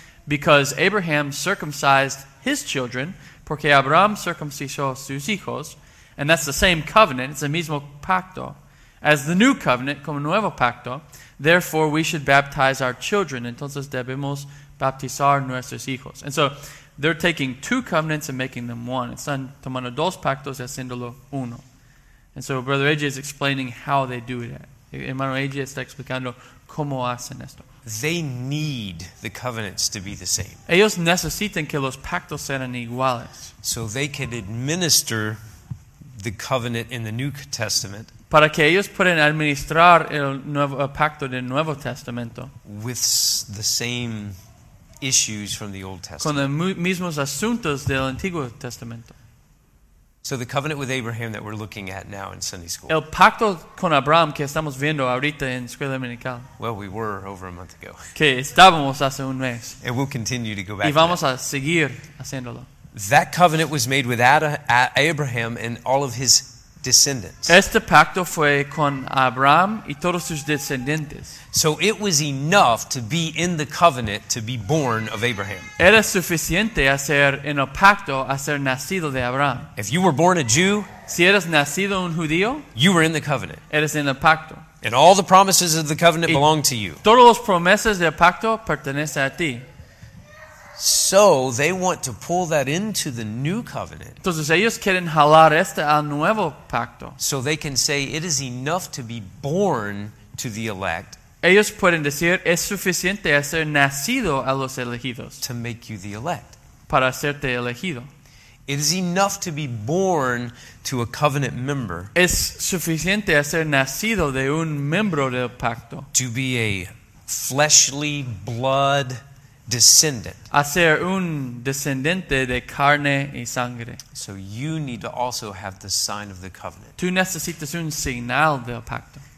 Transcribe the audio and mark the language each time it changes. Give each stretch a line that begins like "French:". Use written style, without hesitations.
English: Because Abraham circumcised his children,
Spanish: porque Abraham circuncidó sus hijos,
English: and that's the same covenant, it's the
Spanish: mismo pacto,
English: as the new covenant,
Spanish: como nuevo pacto,
English: therefore we should baptize our children.
Spanish: Entonces debemos baptizar nuestros hijos.
English: And so they're taking two covenants and making them one.
Spanish: Están tomando dos pactos y haciéndolo uno.
English: And so Brother AJ is explaining how they do that.
Spanish: Hermano AJ está explicando cómo hacen esto.
English: They need the covenants to be the same.
Spanish: Ellos necesitan que los pactos sean iguales.
English: So they can administer the covenant in the New Testament.
Spanish: Para que ellos puedan administrar el nuevo el pacto del Nuevo Testamento.
English: With the same issues from the Old Testament.
Spanish: Con los mismos asuntos del Antiguo Testamento.
English: So the covenant with Abraham that we're looking at now in Sunday school.
Spanish: El pacto con Abraham que estamos viendo ahorita en escuela dominical.
English: Well, we were over a month ago.
Spanish: Que estábamos hace un mes.
English: And we'll continue to go back.
Spanish: Y vamos
English: to that.
Spanish: A seguir haciéndolo.
English: That covenant was made with Abraham and all of his descendants.
Spanish: Este pacto fue con Abraham y todos sus descendientes.
English: So it was enough to be in the covenant to be born of Abraham.
Spanish: Era suficiente hacer en el pacto hacer nacido de Abraham.
English: If you were born a Jew,
Spanish: si eras nacido un judío,
English: you were in the covenant.
Spanish: Eres en el pacto.
English: And all the promises of the covenant belong to you.
Spanish: Todos los promesas del pacto pertenecen a ti.
English: So they want to pull that into the new covenant.
Spanish: Entonces ellos quieren jalar este al nuevo pacto.
English: So they can say it is enough to be born to the elect.
Spanish: Ellos pueden decir es suficiente ser nacido a los elegidos.
English: To make you the elect.
Spanish: Para hacerte elegido.
English: It is enough to be born to a covenant member.
Spanish: Es suficiente ser nacido de un miembro del pacto.
English: To be a fleshly blood descendant.
Spanish: Hacer un descendiente de carne y sangre.
English: So you need to also have the sign of the covenant.
Spanish: Tú necesitas un señal del pacto.